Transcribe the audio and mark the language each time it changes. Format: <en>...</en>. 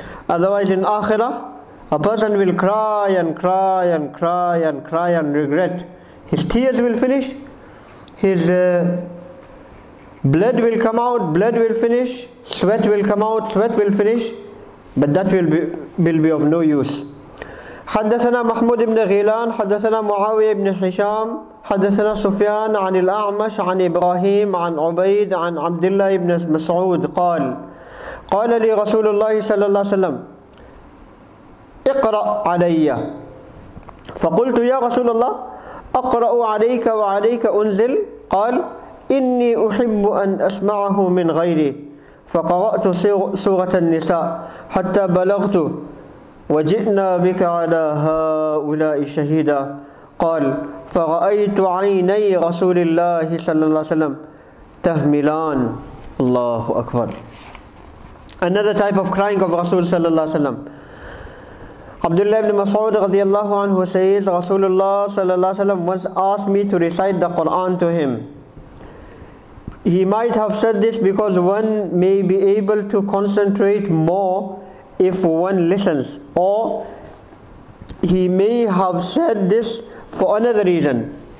<en>Otherwise in Akhirah, a person will cry and cry and cry and cry and regret. His tears will finish. His blood will come out, blood will finish, sweat will come out, sweat will finish, but that will be of no use.</en> <ar>حدثنا محمود بن غيلان حدثنا معاوية بن هشام حدثنا سفيان عن الأعمش عن إبراهيم عن عبيد عن عبد الله بن مسعود قال قال لي رسول الله صلى الله عليه وسلم اقرأ علي فقلت يا رسول الله أقرأ عليك وعليك أنزل قال إني أحب أن أسمعه من غيري فقرأت سورة النساء حتى بلغت وجئنا بك على هؤلاء شهيدا قال فرأيت عيني رسول الله صلى الله عليه وسلم تهملان. الله أكبر.</ar> <en>Another type of crying of رسول</en> <ar>صلى الله عليه وسلم.</ar> <en>Abdullah ibn Mas'ud radiyallahu anhu says Rasulullah sallallahu alaihi wasallam once asked me to recite the Quran to him. He might have said this because one may be able to concentrate more if one listens, or he may have said this for another reason.</en>